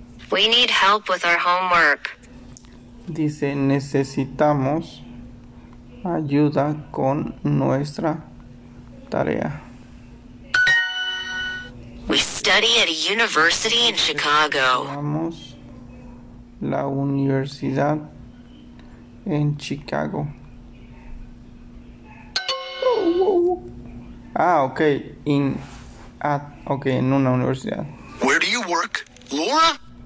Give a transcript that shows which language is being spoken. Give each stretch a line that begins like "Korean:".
English: We need help with our homework.
Spanish: Dice, necesitamos ayuda con nuestra tarea.
English: We study at a university in Chicago.
Spanish: Vamos la universidad en Chicago. Ah, okay, okay, en una universidad.
English: Where do you work, Laura?